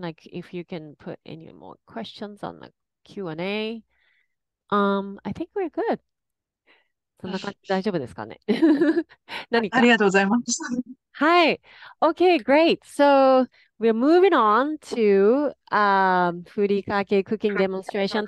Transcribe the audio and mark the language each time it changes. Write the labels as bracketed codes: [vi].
[en] Like, if you can put any more questions on the Q&A, I think we're good. [ja] そんな感じ大丈夫ですかね。何か。ありがとうございました。 [en] はい。Okay, great. So we're moving on to Furikake cooking demonstration.